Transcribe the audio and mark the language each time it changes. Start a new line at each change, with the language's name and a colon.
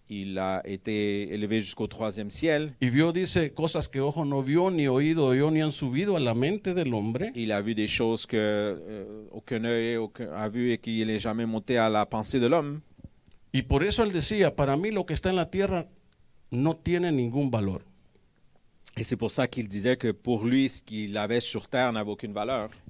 French: Il a été élevé jusqu'au troisième ciel.
Spanish: Y vio, dice, cosas que ojo no vio, ni oído oyó, ni han subido a la mente del hombre.
French: Il a vu des choses que aucun œil a vu et qu'il n'est jamais monté à la pensée de l'homme.
Spanish: Y por eso él decía, para mí lo que está en la tierra no tiene ningún valor.
French: Et c'est pour ça qu'il disait que pour lui, ce qu'il avait sur terre n'avait aucune valeur.